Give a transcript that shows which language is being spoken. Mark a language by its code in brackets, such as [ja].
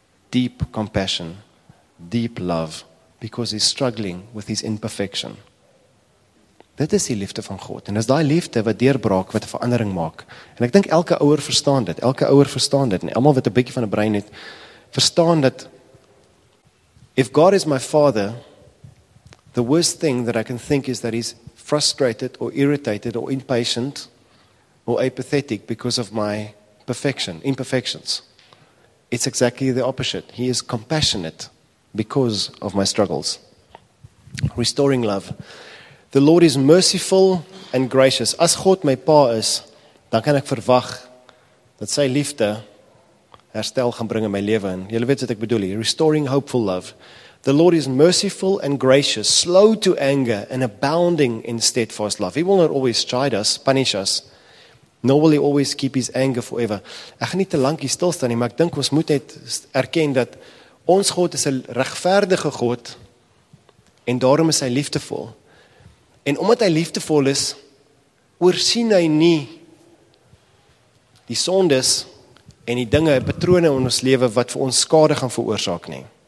[en] Deep compassion, deep love, because he's struggling with his imperfection. [af] Dit is die liefde van God, en dis daai liefde wat deurbraak, wat 'n verandering maak. En ek dink elke ouer verstaan dit, en almal wat 'n bietjie van 'n brein het, verstaan dat, [en] if God is my father, the worst thing that I can think is that he's frustrated, or irritated, or impatient, or apathetic, because of my imperfections. it's exactly the opposite. He is compassionate because of my struggles. Restoring love. The Lord is merciful and gracious. [af] As God my pa is, dan kan ek verwag dat sy liefde herstel gaan bring in my lewe. En jy weet wat ek bedoel hier. [en] Restoring hopeful love. The Lord is merciful and gracious, slow to anger and abounding in steadfast love. He will not always chide us, punish us, nor will he always keep his anger forever. [af] Ek gaan nie te lank hier stilstaan nie, maar ek dink ons moet net erken dat ons God is 'n regverdige God en daarom is hy liefdevol. En omdat hy liefdevol is, oorsien hy nie die sondes en die dinge, patrone in ons lewe wat vir ons skade gaan veroorsaak nie.